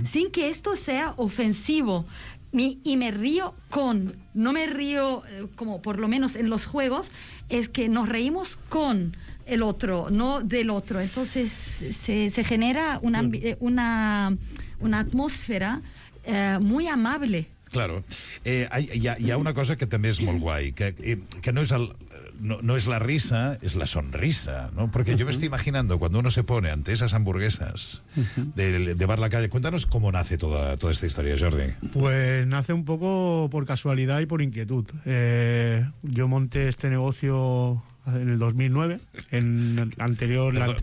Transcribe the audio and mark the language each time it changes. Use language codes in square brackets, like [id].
[es] sin que esto sea ofensivo. Y me río con, no me río como por lo menos en los juegos, es que nos reímos con el otro, no del otro. Entonces se genera una atmósfera muy amable. Claro. [ca] Hi ha una cosa que també és molt guai, que no és el... [es] No, no es la risa, es la sonrisa, ¿no? Porque yo me estoy imaginando cuando uno se pone ante esas hamburguesas de Bar La Calle. Cuéntanos cómo nace toda esta historia, Jordi. Pues nace un poco por casualidad y por inquietud. Yo monté este negocio en el 2009, en el anterior...